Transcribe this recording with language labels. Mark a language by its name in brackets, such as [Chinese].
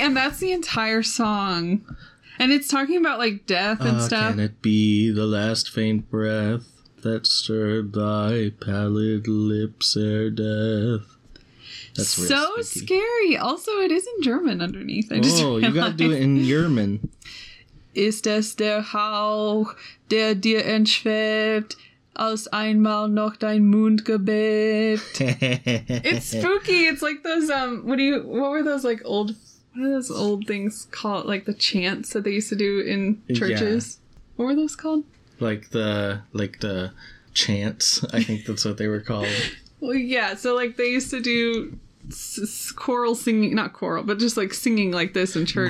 [English] And that's the entire song. And it's talking about, like, death and stuff. Can it be the last faint breath that stirred thy pallid lips ere death? That's so scary. Also, it is in German underneath. You gotta do it in German. [German] Ist es der Hauch, der dir entschwebt, als einmal noch dein Mund gebebt? [English] It's spooky. It's like those, what are those old things called? Like the chants that they used to do in churches? Yeah. What were those called? Like the chants, I think that's what they were called. Well, yeah, so like they used to do choral singing, not choral, but just like singing like this in church.